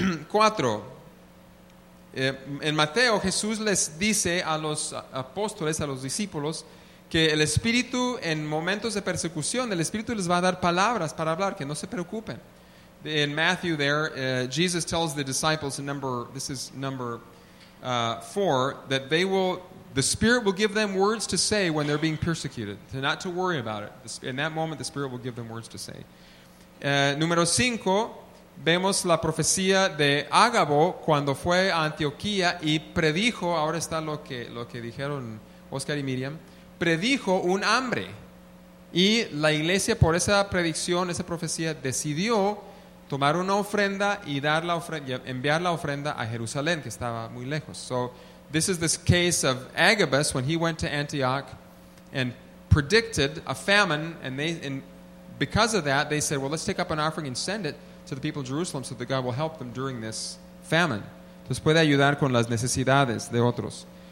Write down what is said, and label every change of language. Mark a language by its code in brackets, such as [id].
[es] Cuatro. En Mateo, Jesús les dice a los apóstoles, a los discípulos, que el Espíritu, en momentos de persecución, el Espíritu les va a dar palabras para hablar, que no se preocupen. [en] In Matthew there, Jesus tells the disciples, this is number four, that they will, the Spirit will give them words to say when they're being persecuted, to not to worry about it. In that moment, the Spirit will give them words to say. [es] Número cinco, vemos la profecía de Ágabo cuando fue a Antioquía y predijo, ahora está lo que dijeron Oscar y Miriam, predijo un hambre. Y la iglesia, por esa predicción, esa profecía, decidió tomar una ofrenda y dar la ofrenda, enviar la ofrenda a Jerusalén, que estaba muy lejos. [en] So, this is this case of Agabus when he went to Antioch and predicted a famine, and because of that, they said, well, let's take up an offering and send it to the people of Jerusalem so that God will help them during this famine. [es] Entonces puede ayudar con las necesidades de otros.